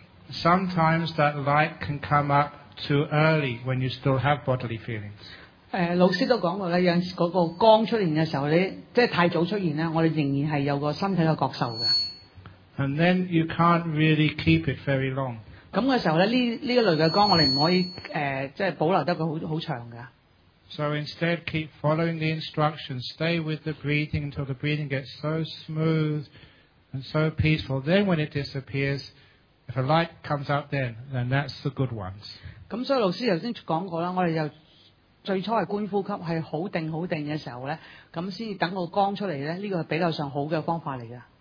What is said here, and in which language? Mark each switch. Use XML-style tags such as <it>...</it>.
<en>Sometimes that light can come up too early when you still have bodily feelings.</en> <yue>老師都講過咧，有時嗰個光出現嘅時候，你即係太早出現咧，我哋仍然係有個身體嘅覺受嘅。</yue> <en>And then you can't really keep it very long。</en> <yue>咁嘅時候咧，呢一類嘅光，我哋唔可以即係保留得佢好長嘅。</yue> <en>So instead, keep following the instructions. Stay with the breathing until the breathing gets so smooth and so peaceful. Then when it disappears, if a light comes out, then that's the good ones。</en> <yue>咁所以老師頭先講過啦，我哋就。最初是觀呼吸是好定的時候呢咁先等個光出嚟呢呢個是比較上好嘅方法嚟㗎。</yue>